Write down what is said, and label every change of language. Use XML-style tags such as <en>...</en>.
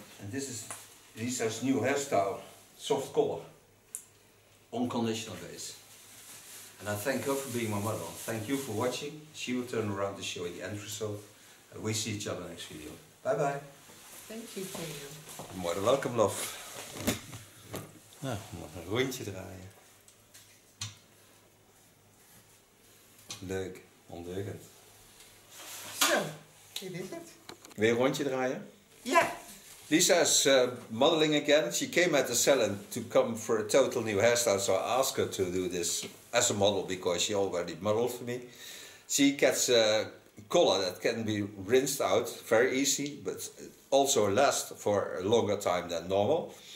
<en>This is Lisa's new hairstyle, soft color, unconditional base. And I thank her for being my model. Thank you for watching. She will turn around the show at the end, so we see each other next video. Bye bye. Thank you, Theo. More than welcome, love.</en> <nl>Nou, nog een rondje draaien. Leuk, ondeugend. Zo, dit is het. Weer een rondje draaien? Ja. Yeah.</nl> <en>Lisa's modeling again. She came at the salon to come for a total new hairstyle, so I asked her to do this as a model because she already modeled for me. She gets a color that can be rinsed out very easy, but also lasts for a longer time than normal.</en>